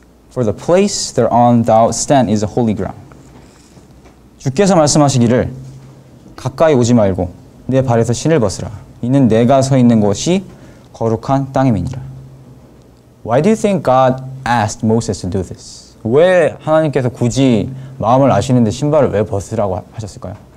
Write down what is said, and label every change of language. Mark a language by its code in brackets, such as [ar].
[en] For the place thereon thou stand is a holy ground. [ko] 주께서 말씀하시기를 가까이 오지 말고 내 발에서 신을 벗으라. 이는 내가 서 있는 곳이 거룩한 땅임이니라. [en] Why do you think God asked Moses to do this? [ko] 왜 하나님께서 굳이 마음을 아시는데 신발을 왜 벗으라고 하셨을까요?